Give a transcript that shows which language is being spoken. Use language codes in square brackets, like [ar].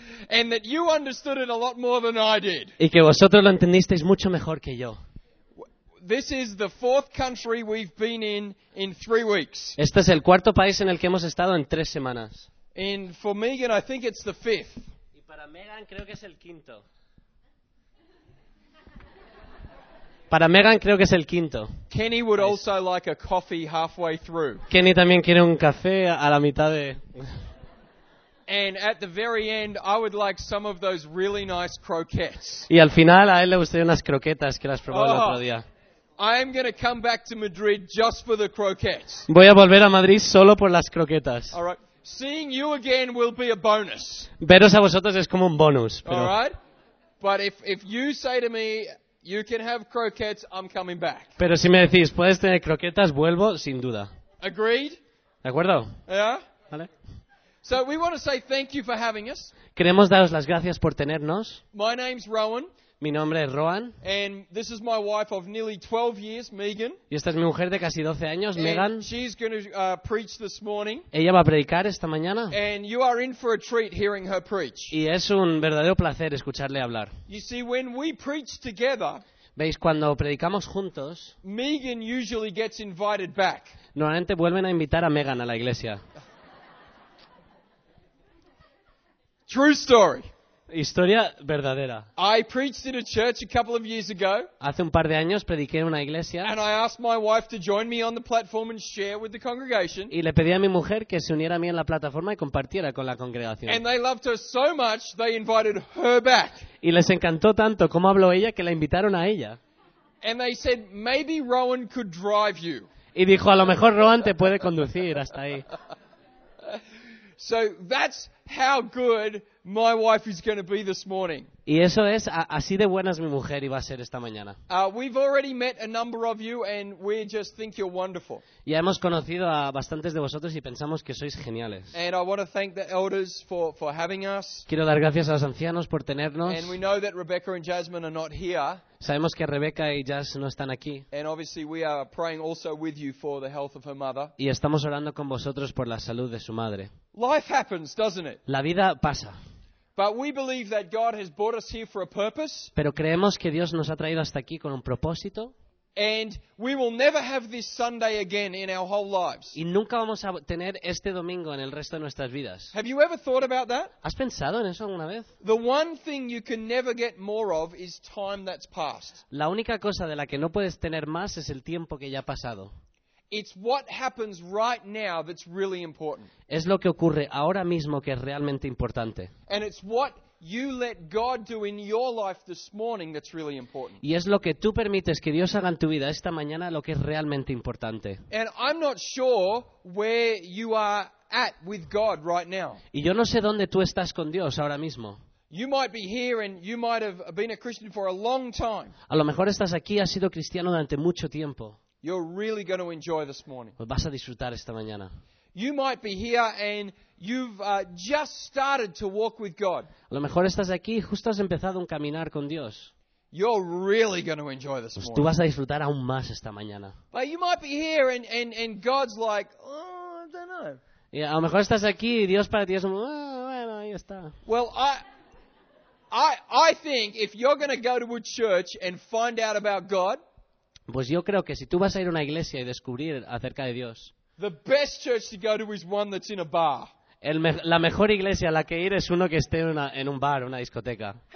[en] And that you understood it a lot more than I did. [es] Y que vosotros lo entendisteis mucho mejor que yo. [en] This is the fourth country we've been in 3 weeks. [es] Este es el cuarto país en el que hemos estado en 3 semanas. [en] And for Megan, I think it's the fifth. [es] Y para Megan creo que es el quinto. Para Megan creo que es el quinto. [en] Kenny would also like a coffee halfway through. [es] Kenny también quiere un café a la mitad de. [en] And at the very end, I would like some of those really nice croquettes. [es] Y al final a él le gustaría unas croquetas que las probó el otro día. [en] I am going to come back to Madrid just for the croquettes. [es] Voy a volver a Madrid solo por las croquetas. [en] All right. Seeing you again will be a bonus. [es] Veros a vosotros es como un bonus. Pero... [en] All right. But if you say to me, you can have croquettes, I'm coming back. [es] Pero si me decís, puedes tener croquetas, vuelvo sin duda. [en] Agreed? [es] ¿De acuerdo? [en] Yeah. [es] Vale. [en] So we want to say thank you for having us. [es] Queremos daros las gracias por tenernos. [en] My name's Rohan. [es] Mi nombre es Rohan. [en] And this is my wife of nearly 12 years, Megan. [es] Y esta es mi mujer de casi 12 años, [en] and [es] Megan. [en] She's going to preach this morning. [es] Ella va a predicar esta mañana. [en] And you are in for a treat hearing her preach. [es] Y es un verdadero placer escucharle hablar. [en] You see, when we preach together, [es] veis, cuando predicamos juntos, [en] Megan usually gets invited back. [es] Normalmente vuelven a invitar a Megan a la iglesia. [en] True story. [es] Historia verdadera. [en] I preached in a church a couple of years ago. [es] Hace un par de años prediqué en una iglesia. [en] And I asked my wife to join me on the platform and share with the congregation. [es] Y le pedí a mi mujer que se uniera a mí en la plataforma y compartiera con la congregación. [en] And they loved her so much they invited her back. [es] Y les encantó tanto cómo habló ella que la invitaron a ella. [en] And they said maybe Rohan could drive you. [es] Y dijo a lo mejor Rohan te puede conducir hasta ahí. [en] So that's how good my wife is going to be this morning. [es] Y eso es así de buena es mi mujer y va a ser esta mañana. [en] We've already met a number of you and we just think you're wonderful. [es] Ya hemos conocido a bastantes de vosotros y pensamos que sois geniales. [en] And I want to thank the elders for having us. [es] Quiero dar gracias a los ancianos por tenernos. [en] And we know that Rebecca and Jasmine are not here. [es] Sabemos que Rebecca y Jas no están aquí. [en] And obviously we are praying also with you for the health of her mother. [es] Y estamos orando con vosotros por la salud de su madre. [en] Life happens, doesn't it? [es] La vida pasa. [en] But we believe that God has brought us here for a purpose. [es] Pero creemos que Dios nos ha traído hasta aquí con un propósito. [en] And we will never have this Sunday again in our whole lives. [es] Y nunca vamos a tener este domingo en el resto de nuestras vidas. [en] Have you ever thought about that? [es] ¿Has pensado en eso alguna vez? [en] The one thing you can never get more of is time that's passed. [es] La única cosa de la que no puedes tener más es el tiempo que ya ha pasado. [en] It's what happens right now that's really important. [es] Es lo que ocurre ahora mismo que es realmente importante. [en] And it's what you let God do in your life this morning that's really important. [es] Y es lo que tú permites que Dios haga en tu vida esta mañana lo que es realmente importante. [en] And I'm not sure where you are at with God right now. [es] Y yo no sé dónde tú estás con Dios ahora mismo. [en] You might be here and you might have been a Christian for a long time. [es] A lo mejor estás aquí y has sido cristiano durante mucho tiempo. [en] You're really going to enjoy this morning. [es] Vas a disfrutar esta mañana. [en] You might be here and you've just started to walk with God. [es] A lo mejor estás aquí y justo has empezado un caminar con Dios. [en] You're really going to enjoy this morning. [es] Tú vas a disfrutar aún más esta mañana. [en] But you might be here and God's like, oh, I don't know. [es] Yeah, a lo mejor estás aquí y Dios para ti es como, oh, bueno, ahí está. [en] Well, I think if you're going to go to a church and find out about God, [es] pues yo creo que si tú vas a ir a una iglesia y descubrir acerca de Dios, [en] The best church to go to is one that's in a bar. [es] La mejor iglesia a la que ir es uno que esté en un bar, una discoteca.